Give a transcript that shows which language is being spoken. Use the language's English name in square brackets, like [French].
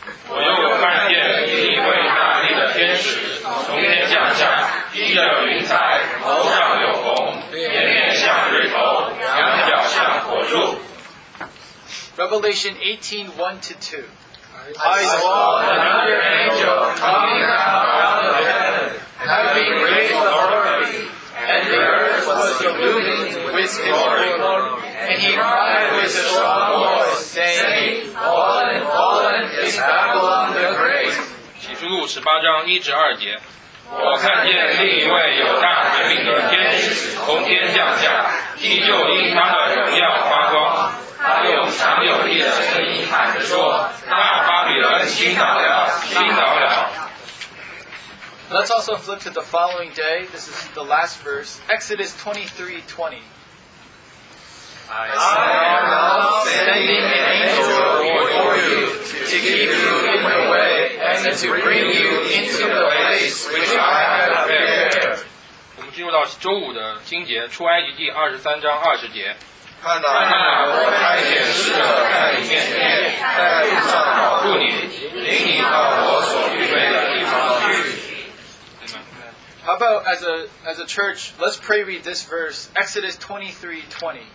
[Chinese] 我又看见一位大力的天使从天降下，披着云彩，头上有红，面面像日头，两脚像火柱。 [English] Revelation 18:1-2. I saw another angel coming out of heaven, having great authority, and the earth was illumined with his glory. And he cried with a strong voice, saying, Fallen, fallen is Babylon the Great. [Chinese] 启示录18:1-2。我看见另一位有大权柄的天使从天降下，地就因他的荣耀发光。他用强有力的声音喊着说，那巴比伦倾倒了，倾倒了。 [English] Let's also flip to the following day. This is the last verse, Exodus 23:20. I am now sending an angel before you to keep you in the way and to bring you into the place which I have prepared. [Chinese] 我们进入到周五的经节，出埃及记23:20。看到看到我差遣使者在你面前，在路上保护你，领你到我所预备的地方去。 [English] How about as a church, let's pray read this verse, Exodus 23:20.